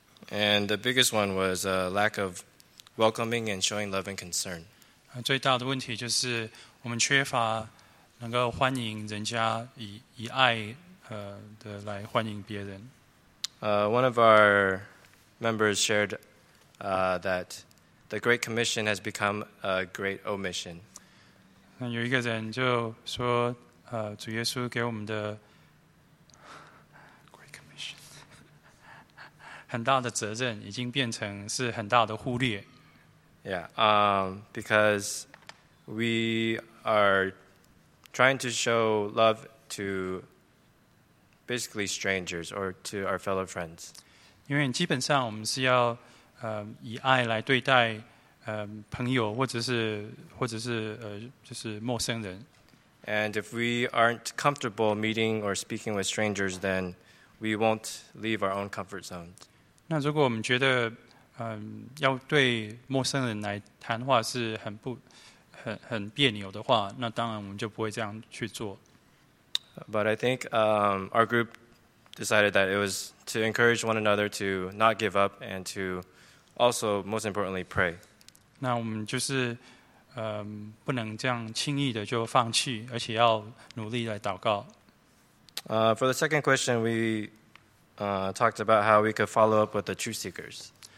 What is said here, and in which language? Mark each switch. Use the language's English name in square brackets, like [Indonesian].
[English] And the biggest one was a lack of welcoming and showing love and concern. [Chinese] 最大的问题就是我们缺乏能够欢迎人家以爱的来欢迎别人。 [English] One of our members shared that the Great Commission has become a great omission. [Chinese] 那有一个人就说，主耶稣给我们的 Great Commission 很大的责任已经变成是很大的忽略。 [English] Because we are trying to show love to basically strangers or to our fellow friends. [Chinese] 因为基本上我们是要以爱来对待朋友或者是就是陌生人。 [English] And if we aren't comfortable meeting or speaking with strangers, then we won't leave our own comfort zone. [Chinese] 那如果我们觉得要对陌生人来谈话是很别扭的话，那当然我们就不会这样去做。 [English] But I think our group decided that it was to encourage one another to not give up and to also, most importantly, pray. [Chinese] 那我们就是不能这样轻易的就放弃，而且要努力来祷告。 [English] For the second question, we talked about how we could follow up with the truth seekers.